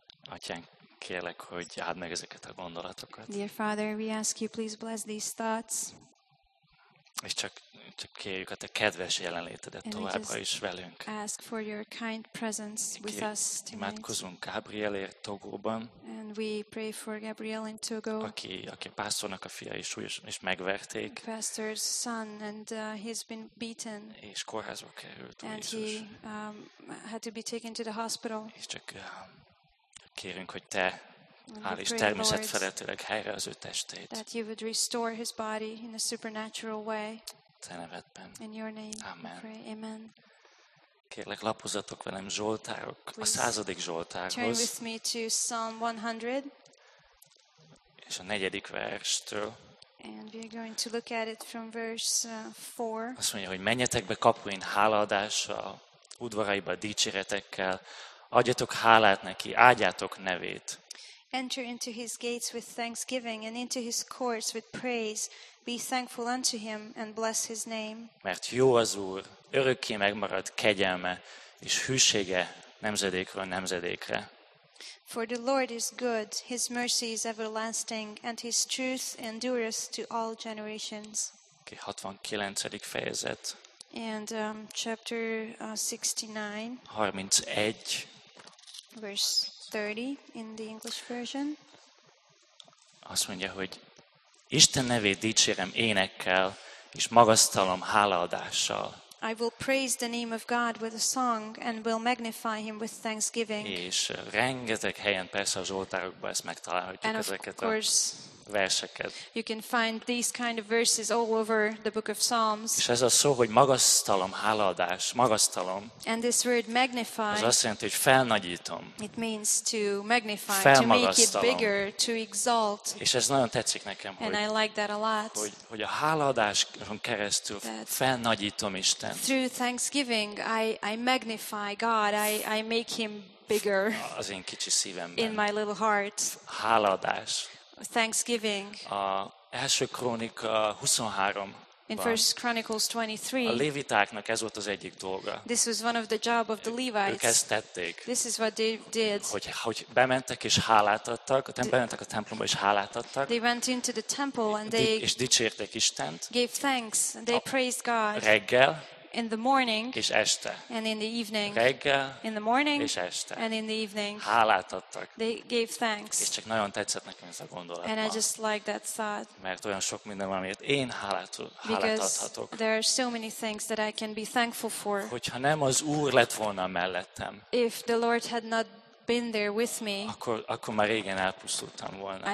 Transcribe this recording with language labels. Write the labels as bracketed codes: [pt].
[hu] Atyánk, kérlek, hogy áld meg ezeket a gondolatokat. [en] Dear Father, we ask you please bless these thoughts. [hu] És csak kérjük a te kedves jelenlétedet továbbra is velünk. [en] Ask for your kind presence with us tonight. [hu] Imádkozunk Gabrielért Togóban. [en] And we pray for Gabriel in Togo. [hu] Aki pásztornak a fia is súlyosan is megverték. [en] Pastor's son and he's been beaten. [hu] És kórházba került. [en] And he had to be taken to the hospital. [hu] És csak kérünk, hogy te állíts természet felettileg helyre az ő testét. [en] That you would restore his body in a supernatural way. [hu] Te nevedben. [en] In your name. [hu] Amen. [en] Pray. Amen. [hu] Kérlek, lapozzatok velem Zsoltárok, a 100. Zsoltárhoz. [en] Turn with me to Psalm 100. [hu] És a 4. verstől. [en] And we are going to look at it from verse 4. [hu] Azt mondja, hogy menjetek be kapuin hálaadással, udvaraiba dicséretekkel, adjatok hálát neki, áldjátok nevét. [en] Enter into his gates with thanksgiving and into his courts with praise. Be thankful unto him and bless his name. [hu] Mert jó az Úr, örökké megmarad kegyelme és hűsége nemzedékről nemzedékre. [en] For the Lord is good, his mercy is everlasting, and his truth endures to all generations. [hu] 69. fejezet. [en] And chapter 69. [hu] 31. [en] Verse 30 in the English version. [hu] Azt mondja, hogy Isten nevét dicsérem énekkel és magasztalom hálaadással. [en] I will praise the name of God with a song and will magnify him with thanksgiving. [hu] És rengeteg helyen persze a zsoltárokban ezt megtalálhatjuk [en] and [hu] ezeket [en] of course, [hu] a verseket. [en] You can find these kind of verses all over the book of Psalms. [hu] És ez a szó, hogy magasztalom, hálaadás, magasztalom. [en] And this word magnify. [hu] Az azt jelenti, hogy felnagyítom. [en] It means to magnify, [hu] felmagasztalom. [en] To make it bigger, to exalt. [hu] És ez nagyon tetszik nekem, [en] and I like that a lot. [hu] Hogy a hálaadáson keresztül felnagyítom Isten. [en] Through thanksgiving, I magnify God. I make him bigger. [hu] Az én kicsi szívemben. [en] In my little heart. [hu] Hálaadás. [en] Thanksgiving. [hu] A első krónika 23. [en] In First Chronicles 23. [hu] A lévitáknak ez volt az egyik dolga. [en] This was one of the job of the Levites. [hu] Ők ezt tették. [en] This is what they did. [hu] Hogy bementek és hálát adtak, bementek a templomba és hálát adtak. [en] They went into the temple and they [hu] és dicsértek Istent. [en] Gave thanks. They praised God. [hu] Reggel. [en] In the morning [hu] és este. [en] And in the evening. [hu] Reggel, [en] in the morning [hu] és este. [en] And in the evening. [hu] Hálát adtak. [en] They gave thanks. [hu] És csak nagyon tetszett nekem ez a gondolat. [en] And I just like that thought. [hu] Mert olyan sok minden van, amiért én hálát adhatok. [en] There are so many things that I can be thankful for. [hu] Hogyha nem az Úr lett volna mellettem. [en] If the Lord had not been there with me. [hu] Akkor már régen elpusztultam volna.